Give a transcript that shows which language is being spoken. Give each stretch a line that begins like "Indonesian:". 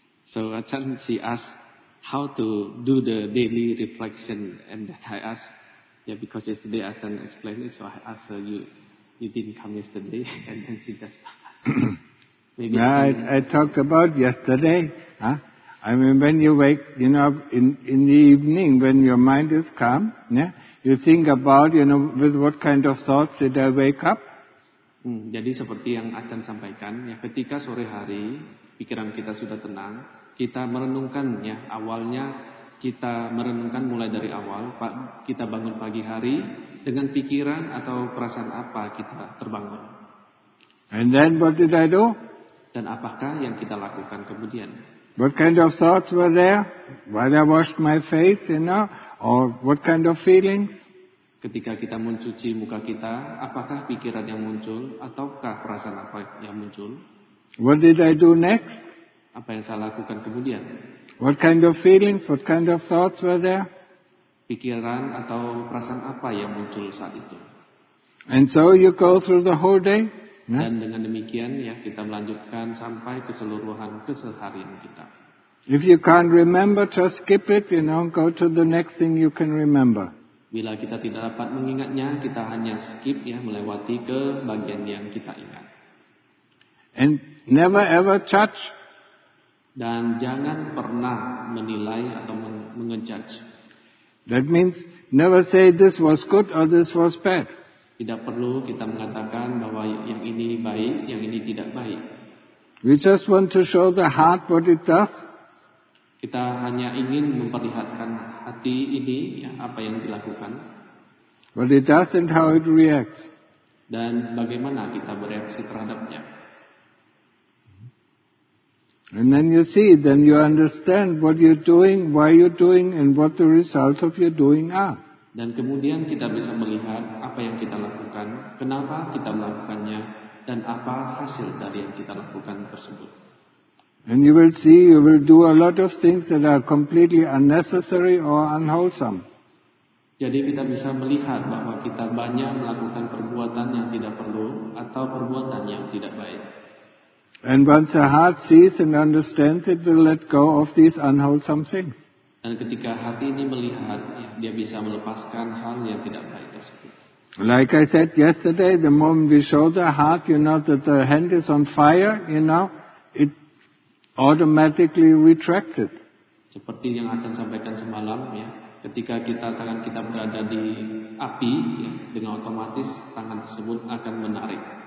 English: So Achan, she asked how to do the daily reflection, and that I asked, yeah, because yesterday Achan explained it, so I asked her, you didn't come yesterday, and then she just maybe. Yeah, I talked about yesterday, huh? I mean, when you wake, you know, in the evening, when your mind is calm, yeah, you think about, you know, with what kind of thoughts did I wake up?
Indonesian: Jadi seperti yang Achan sampaikan, ya, ketika sore hari pikiran kita sudah tenang, kita merenungkan, ya, awalnya kita merenungkan mulai dari awal, kita bangun pagi hari dengan pikiran atau perasaan apa kita terbangun.
English: And then what did I do?
Indonesian: Dan apakah yang kita lakukan kemudian?
English: What kind of thoughts were there while I washed my face, you know? Or what kind of feelings?
Indonesian: Ketika kita mencuci muka kita, apakah pikiran yang muncul ataukah perasaan apa yang muncul?
English: What did I do next?
Indonesian: Apa yang saya lakukan kemudian?
English: What kind of feelings, what kind of thoughts were there?
Indonesian: Pikiran atau perasaan apa yang muncul saat itu?
English: And so you go through the whole day.
Indonesian: Dan dengan demikian, ya, kita melanjutkan sampai keseluruhan keseharian kita.
English: If you can't remember, just skip it, you know, go to the next thing you can remember.
Indonesian: Bila kita tidak dapat mengingatnya, kita hanya skip, ya, melewati ke bagian yang kita ingat.
English: And never ever judge.
Indonesian: Dan jangan pernah menilai atau mengejudge.
English: That means never say this was good or this was bad.
Indonesian: Tidak perlu kita mengatakan bahwa yang ini baik, yang ini tidak baik.
English: We just want to show the heart what it does.
Indonesian: Kita hanya ingin memperlihatkan hati ini, ya, apa yang dilakukan.
English: What it does and how it reacts.
Indonesian: Dan bagaimana kita bereaksi terhadapnya.
English: And then you see, then you understand what you're doing, why you're doing, and what the results of your doing are.
Indonesian: Dan kemudian kita bisa melihat apa yang kita lakukan, kenapa kita melakukannya, dan apa hasil dari yang kita lakukan tersebut.
English: And you will see, you will do a lot of things that are completely unnecessary or unwholesome.
Indonesian: Jadi kita bisa melihat bahwa kita banyak melakukan perbuatan yang tidak perlu atau perbuatan yang tidak baik.
English: And once a heart sees and understands, it will let go of these unwholesome things.
Indonesian: Dan ketika hati ini melihat, ya, dia bisa melepaskan hal yang tidak baik tersebut.
English: Like I said yesterday, the moment we show the heart, you know, that the hand is on fire, you know, it automatically retracts it.
Indonesian: Seperti yang Achan sampaikan semalam, ya, ketika kita tangan kita berada di api, ya, dengan otomatis tangan tersebut akan menarik.